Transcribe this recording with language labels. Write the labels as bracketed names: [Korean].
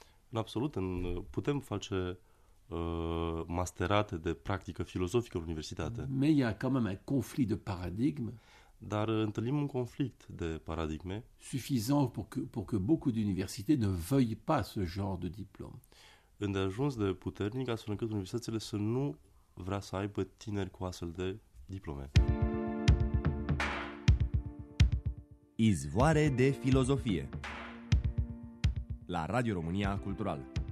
[Romanian] În absolut, putem face masterate de practică filozofică la universitate. [French] Mais il y a quand même un conflit de paradigme. [Romanian] Dar întâlnim un conflict de paradigme. [French] Suffisant pour que beaucoup d'universités ne veuillent pas ce genre de diplôme. [Romanian] Îndeajuns de puternic astfel încât universitățile să nu vrea să aibă tineri cu astfel de diplome. Izvoare de filozofie la Radio România Cultural.